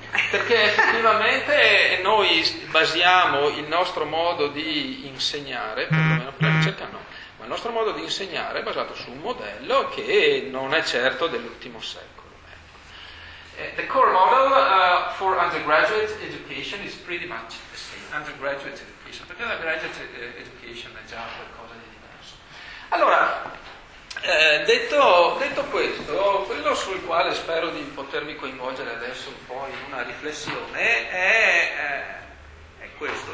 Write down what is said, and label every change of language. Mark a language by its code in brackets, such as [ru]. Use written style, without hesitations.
[it] Perché effettivamente noi basiamo il nostro modo di insegnare, perlomeno per la ricerca no, ma il nostro modo di insegnare è basato su un modello che non è certo dell'ultimo secolo. [en] The core model for undergraduate education is pretty much the same. Undergraduate education, [it] perché la graduate education è già qualcosa di diverso. Allora, detto questo, quello sul quale spero di potervi coinvolgere adesso un po' in una riflessione è questo.